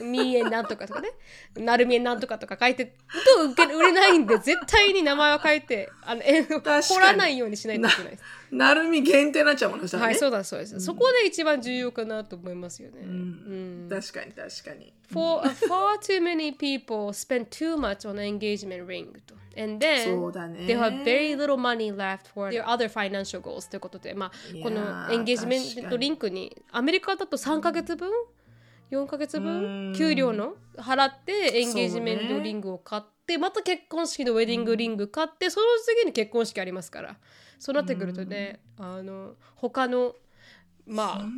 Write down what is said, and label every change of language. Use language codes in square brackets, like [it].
[ja] ミエなんとかとかね、ナルミエなんとかとか書いてと売れないんで、絶対に名前は書いて、あの掘らないようにしないといけないです。ナルミ限定になっちゃうものですね。はい、そうだそうです、うん、そこで一番重要かなと思いますよね、うんうん、確かに確かに。 [en] far too many people spend too much on engagement ring とAnd then、 [ja] ね、 [en] they have very little money left for their other financial goals [ja] ということで、まあ、このエンゲージメントリンクにアメリカだと3ヶ月分、うん、4ヶ月分給料の払ってエンゲージメントリングを買って、ね、また結婚式のウェディングリング買って、うん、その次に結婚式ありますから、そうなってくるとね、あの他の、まあ、